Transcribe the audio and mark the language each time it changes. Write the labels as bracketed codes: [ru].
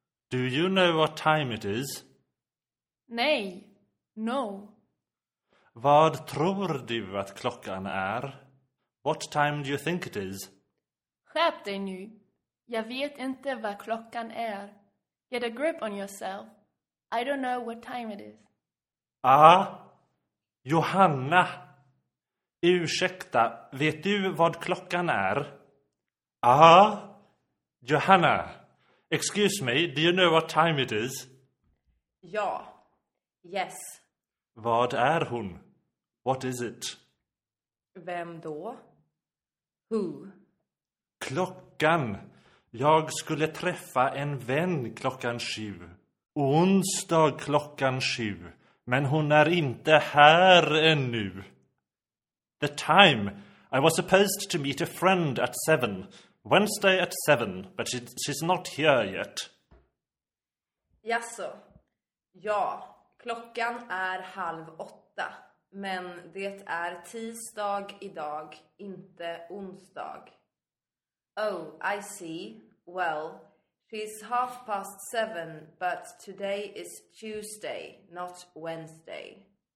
[en] Do you know what time it is? [sv] Nej, [en] no. [sv] Vad tror du att klockan är? [en] What time do you think it is? [sv] Skärp dig nu. Jag vet inte vad klockan är. [en] Get a grip on yourself. I don't know what time it is. Ah, Johanna. [sv] Ursäkta, vet du vad klockan är? [en] Ah, Johanna. Excuse me, do you know what time it is? [sv] Ja. [en] Yes. [sv] Vad är hon? [en] What is it? [sv] Vem då? [en] Who? [sv] Klockan. Jag skulle träffa en vän 7. Onsdag 7. Men hon är inte här ännu. [en] The time. I was supposed to meet a friend at 7. Wednesday at 7. But she's not here yet. [sv] Jaså. Ja. Klockan är 7:30, men det är tisdag idag, inte onsdag. [en] Oh, I see. Well, she's 7:30, but today is Tuesday, not Wednesday.